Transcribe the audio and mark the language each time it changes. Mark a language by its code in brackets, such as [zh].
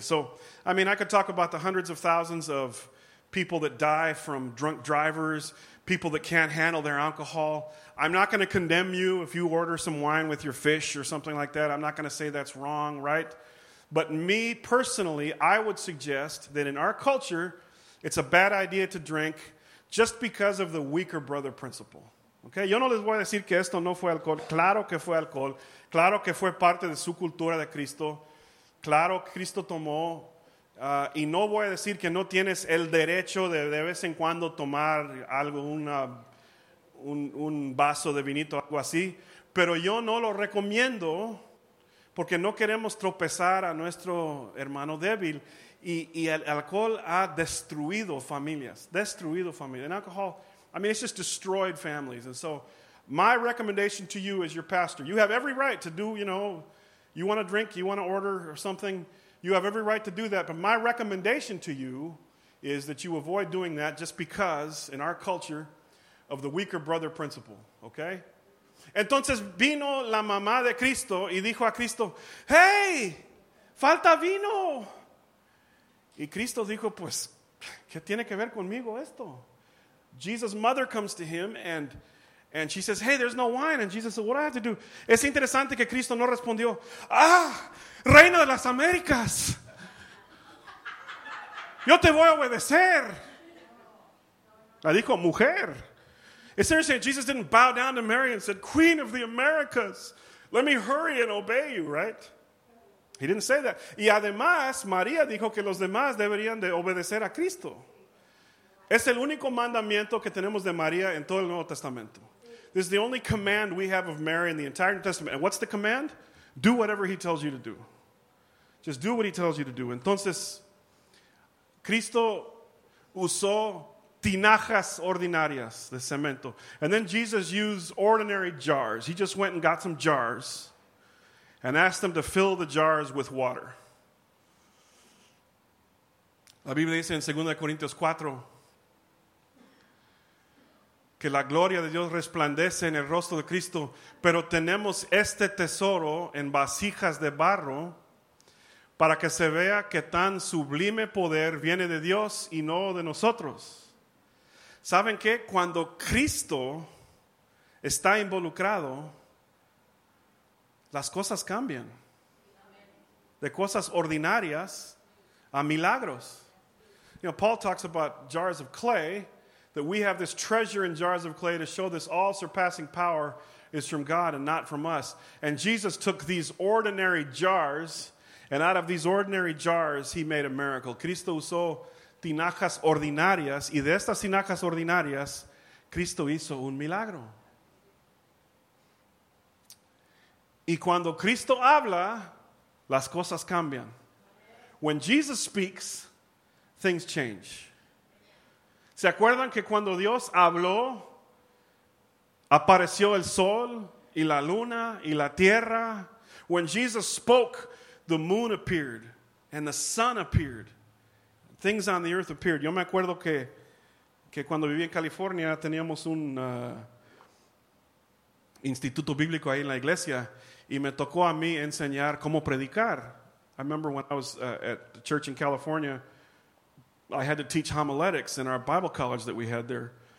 [en] So, I mean, I could talk about the hundreds of thousands of people that die from drunk drivers, people that can't handle their alcohol. I'm not going to condemn you if you order some wine with your fish or something like that. I'm not going to say that's wrong, right? But me personally, I would suggest that in our culture, it's a bad idea to drink just because of the weaker brother principle. Okay? [es] Yo no les voy a decir que esto no fue alcohol. Claro que fue alcohol. Claro que fue parte de su cultura de Cristo. Claro, Cristo tomó. Y no voy a decir que no tienes el derecho de vez en cuando tomar algo, un vaso de vinito, algo así. Pero yo no lo recomiendo porque no queremos tropezar a nuestro hermano débil. Y el alcohol ha destruido familias. Destruido familias. [en] And alcohol, I mean, it's just destroyed families. And so my recommendation to you as your pastor, you have every right to do, you know, you want to drink, you want to order or something. You have every right to do that, but my recommendation to you is that you avoid doing that just because, in our culture, of the weaker brother principle, okay? [es] Entonces vino la mamá de Cristo y dijo a Cristo, hey, falta vino. Y Cristo dijo, pues, ¿qué tiene que ver conmigo esto? [en] Jesus' mother comes to him and she says, hey, there's no wine. And Jesus said, what do I have to do? [es] Es interesante que Cristo no respondió, ah, reina de las Américas, yo te voy a obedecer. La dijo, mujer. [en] It's interesting, Jesus didn't bow down to Mary and said, queen of the Americas, let me hurry and obey you, right? He didn't say that. [es] Y además, María dijo que los demás deberían de obedecer a Cristo. Es el único mandamiento que tenemos de María en todo el Nuevo Testamento. [en] This is the only command we have of Mary in the entire New Testament. And what's the command? Do whatever he tells you to do. Just do what he tells you to do. [es] Entonces, Cristo usó tinajas ordinarias de cemento. [en] And then Jesus used ordinary jars. He just went and got some jars and asked them to fill the jars with water. [es] La Biblia dice en 2 Corintios 4 que la gloria de Dios resplandece en el rostro de Cristo, pero tenemos este tesoro en vasijas de barro para que se vea que tan sublime poder viene de Dios y no de nosotros. ¿Saben qué? Cuando Cristo está involucrado, las cosas cambian. De cosas ordinarias a milagros. [en] You know, Paul talks about jars of clay, that we have this treasure in jars of clay to show this all-surpassing power is from God and not from us. And Jesus took these ordinary jars, and out of these ordinary jars, he made a miracle. [es] Cristo usó tinajas ordinarias, y de estas tinajas ordinarias, Cristo hizo un milagro. Y cuando Cristo habla, las cosas cambian. [en] When Jesus speaks, things change. [es] ¿Se acuerdan que cuando Dios habló, apareció el sol y la luna y la tierra? [en] When Jesus spoke, the moon appeared and the sun appeared. Things on the earth appeared. [es] Yo me acuerdo que cuando viví en California teníamos un instituto bíblico ahí en la iglesia y me tocó a mí enseñar cómo predicar. [en] I remember when I was at the church in California, I had to teach homiletics in our Bible college that we had there.